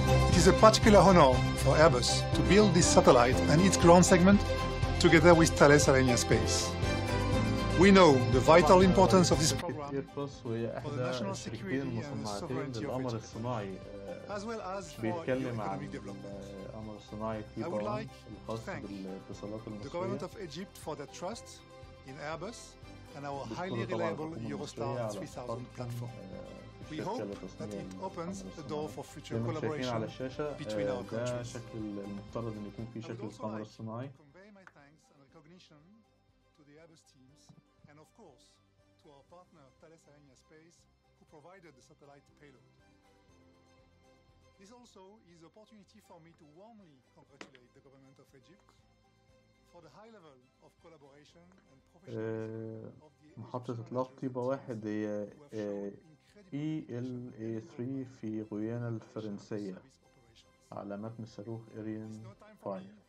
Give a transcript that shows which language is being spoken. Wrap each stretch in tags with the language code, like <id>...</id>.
<en>It is a particular honor for Airbus to build this satellite and its ground segment together with Thales Space. We know the vital importance of this program for the national security and the sovereignty of Egypt, as well as for economic development.</en> <ar>الصناعي طيبة1 الخاص بالاتصالات المصرية.</ar> <en>The government of Egypt for their trust in Airbus and our highly reliable Eurostar 3000 platform. We hope that it opens a door for future collaboration between our countries.</en> <ar>شكل المفترض ان يكون في شكل القمر الصناعي.</ar> <en>Convey my thanks and recognition to the Airbus teams and of course to our partner Thales Alenia Space who provided the satellite payload. This also is an opportunity for me to warmly congratulate the government of Egypt for the high level of collaboration and professionalism of the</en> <ar>محطة إطلاق طيبة1 هي ELA3 في غويانا الفرنسية على متن صاروخ آريان5.</ar>